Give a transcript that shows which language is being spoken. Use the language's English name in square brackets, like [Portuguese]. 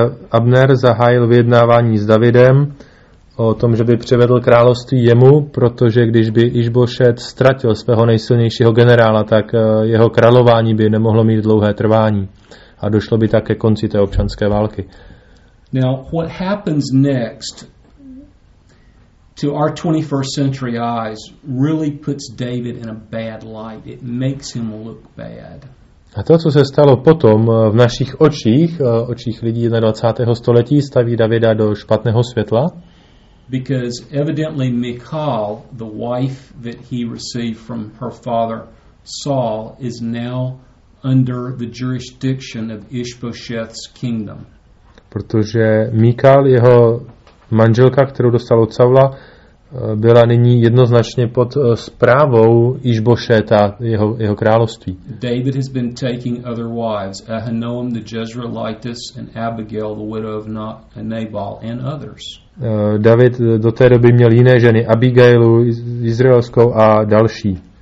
[Czech] Abner zahájil vyjednávání s Davidem o tom, že by převedl království jemu, protože když by Išbošet ztratil svého nejsilnějšího generála, tak jeho králování by nemohlo mít dlouhé trvání a došlo by tak ke konci té občanské války. [English] Now, what happens next to our 21st century eyes really puts David in a bad light. It makes him look bad. [Czech] A to, co se stalo potom v našich očích, očích lidí 21. století, staví Davida do špatného světla. [English] Because evidently Michal, the wife that he received from her father Saul, is now under the jurisdiction of Ishbosheth's kingdom. [Czech] Protože Michal, jeho manželka, kterou dostal od Saula, byla nyní jednoznačně pod správou Išbošeta, jeho království. [English] David has been taking other wives, Ahinoam the Jezreelitess and Abigail the widow of Nabal and others. [Czech] David do té doby měl jiné ženy, Abigailu izraelskou a další.